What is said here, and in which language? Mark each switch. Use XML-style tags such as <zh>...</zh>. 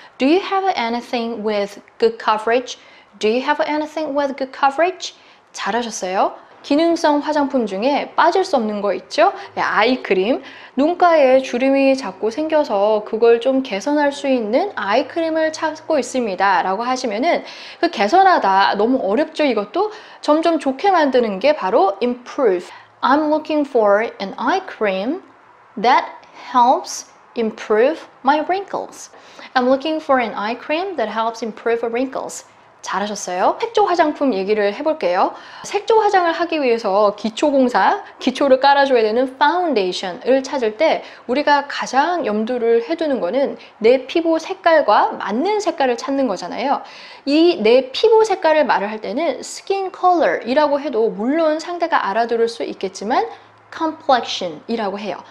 <en>Do you have anything with good coverage? Do you have anything with good coverage?</en> <ko>잘하셨어요. 기능성 화장품 중에 빠질 수 없는 거 있죠? 예, 아이크림. 눈가에 주름이 자꾸 생겨서 그걸 좀 개선할 수 있는 아이크림을 찾고 있습니다. 라고 하시면은 그 개선하다 너무 어렵죠 이것도? 점점 좋게 만드는 게 바로 improve.</ko> <en>I'm looking for an eye cream that helps improve my wrinkles. I'm looking for an eye cream that helps improve my wrinkles.</en> <ko>잘하셨어요. 색조 화장품 얘기를 해볼게요. 색조 화장을 하기 위해서 기초공사, 기초를 깔아줘야 되는 파운데이션을 찾을 때 우리가 가장 염두를 해두는 거는 내 피부 색깔과 맞는 색깔을 찾는 거잖아요. 이 내 피부 색깔을 말을 할 때는 skin color이라고 해도 물론 상대가 알아들을 수 있겠지만 complexion이라고 해요.</ko>